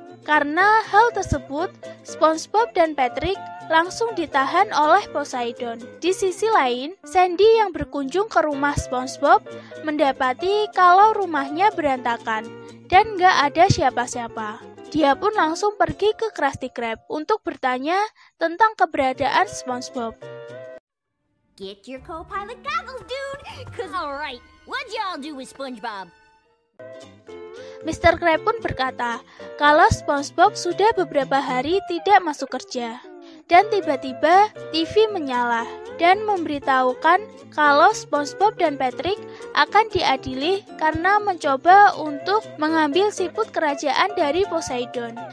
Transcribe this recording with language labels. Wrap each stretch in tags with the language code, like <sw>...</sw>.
<id>Karena hal tersebut, SpongeBob dan Patrick langsung ditahan oleh Poseidon. Di sisi lain, Sandy yang berkunjung ke rumah SpongeBob mendapati kalau rumahnya berantakan dan gak ada siapa-siapa. Dia pun langsung pergi ke Krusty Krab untuk bertanya tentang keberadaan SpongeBob.</id> <en>Get your co-pilot goggles, dude! Cause alright, what'd y'all do with SpongeBob?</en> <id>Mr. Krab pun berkata kalau SpongeBob sudah beberapa hari tidak masuk kerja. Dan tiba-tiba TV menyala dan memberitahukan kalau SpongeBob dan Patrick akan diadili karena mencoba untuk mengambil siput kerajaan dari Poseidon.</id>